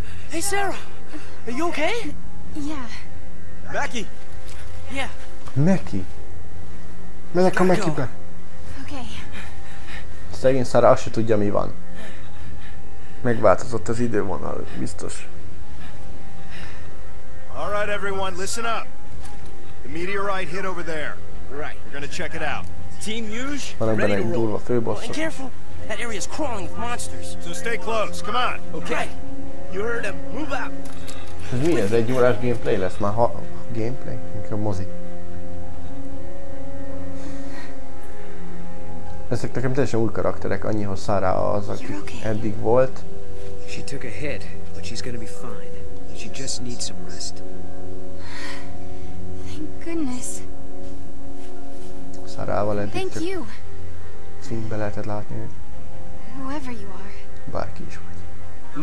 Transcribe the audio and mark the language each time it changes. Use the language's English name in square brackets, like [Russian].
[English] Hey Sarah! Are you okay? Yeah. Mackie! Yeah. [Hungarian] Mackie? Menek a Mackie-be! [English] Okay. [Hungarian] Szegény Sarah azt se tudja, mi van. Megváltozott az idővonal, biztos. [English] All right, everyone, listen up. The meteorite hit over there. Right. We're gonna check it out. Team Huge, ready to roll. And careful, that area is crawling with monsters. So stay close, come on. Okay. You heard him, move out. [Hungarian] Ez mi? Ez egy órás gameplay lesz? Már gameplay? Inkább mozi. Ezek nekem teljesen új karakterek, annyihoz Sarah az, aki eddig volt. [English] She took a hit, but she's gonna be fine. She just needs some rest. Thank goodness. [Hungarian] Sarával eddig [English] Thank you. [Hungarian] Színbe lehetett látni. [English] Whoever you are. [Hungarian] Bárki is vagy.